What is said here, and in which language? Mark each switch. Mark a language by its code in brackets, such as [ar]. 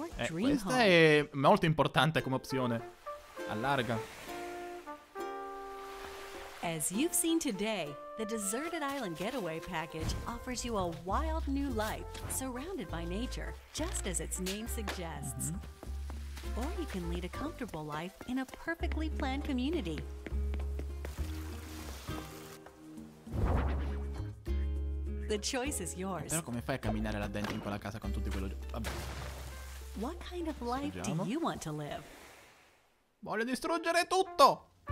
[it] Questa è molto importante come opzione. Allarga. [en] As you've seen today, the Deserted Island Getaway Package offers you a wild new life surrounded by nature, just as its name suggests. Mm-hmm. Or you can lead a comfortable life in a perfectly planned community. The choice is yours. [it] Però come fai a camminare là dentro in quella casa con tutti quello... Vabbè. [en] What kind of life do you want to live? [it] Voglio distruggere tutto!